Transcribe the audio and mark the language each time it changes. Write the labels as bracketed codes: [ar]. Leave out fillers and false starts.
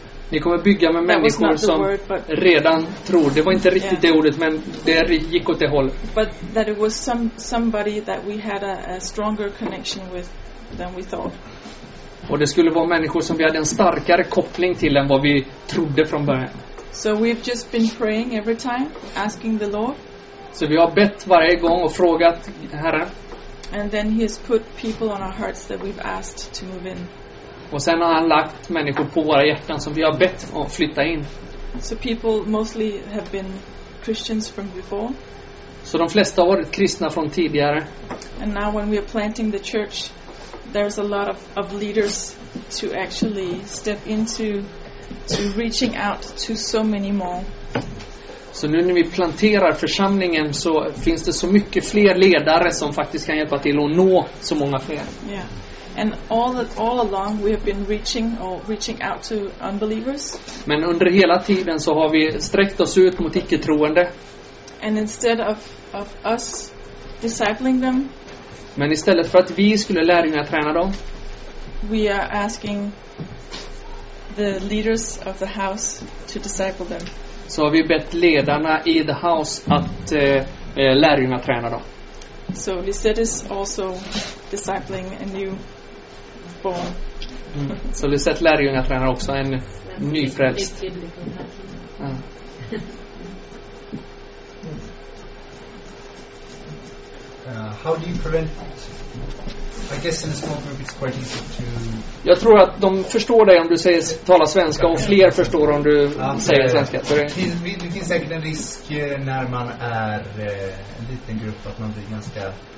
[sv] Ni kommer bygga med människor som [en] word, but [sv] redan tror. Det var inte riktigt det ordet, men det gick åt det hållet. [en] But that it was somebody that we had a stronger connection with than we thought. [sv] Och det skulle vara människor som vi hade en starkare koppling till än vad vi trodde från början. [en] So we've just been praying every time, asking the Lord. [sv] Så vi har bett varje gång och frågat Herren. [en] And then he has put people on our hearts that we've asked to move in. [sv] Och sen har han lagt människor på våra hjärtan som vi har bett att flytta in. [en] So people mostly have been Christians from before. [sv] Så de flesta har varit kristna från tidigare. [en] And now when we are planting the church, there's a lot of leaders to actually step into. To reaching out to so many more. [sv] Så nu när vi planterar församlingen så finns det så mycket fler ledare som faktiskt kan hjälpa till att nå så många fler. [en] Yeah. And all along we have been reaching out to unbelievers. [sv] Men under hela tiden så har vi sträckt oss ut mot icke-troende. [en] And instead of us discipling them. [sv] Men istället för att vi skulle lärjunga träna dem. [en] We are asking the leaders of the house to disciple them. [sv] Så har vi bett ledarna i the house att lärjunga träna dem. [en] So Lisette is also discipling a new born. [sv] Så Lisette lärjunga tränar också en nyfrälst. [en] How do you prevent, I guess in a small group it's quite easy to. [sv] Jag tror att de förstår dig om du säger tala svenska, och fler förstår om du säger svenska. Det finns säkert en risk när man är en liten grupp att man blir ganska